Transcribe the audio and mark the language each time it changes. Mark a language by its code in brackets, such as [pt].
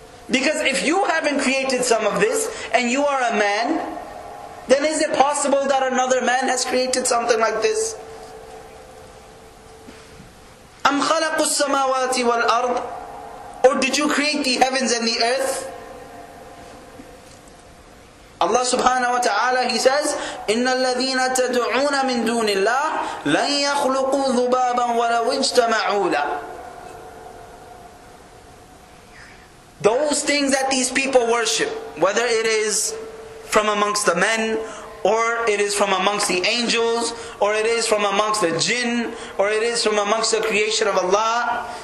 [en] Because if you haven't created some of this, and you are a man, then is it possible that another man has created something like this? [ar] أَمْ خَلَقُ السَّمَاوَاتِ وَالْأَرْضِ. [en] Or did you create the heavens and the earth? [ar] Allah subhanahu wa ta'ala, [en] He says, [ar] إِنَّ الَّذِينَ تَدْعُونَ مِن دُونِ اللَّهِ لَنْ يَخْلُقُوا ذُبَابًا وَلَوْ اجْتَمَعُوا لَهُ. [en] Those things that these people worship, whether it is from amongst the men, or it is from amongst the angels, or it is from amongst the jinn, or it is from amongst the creation of Allah.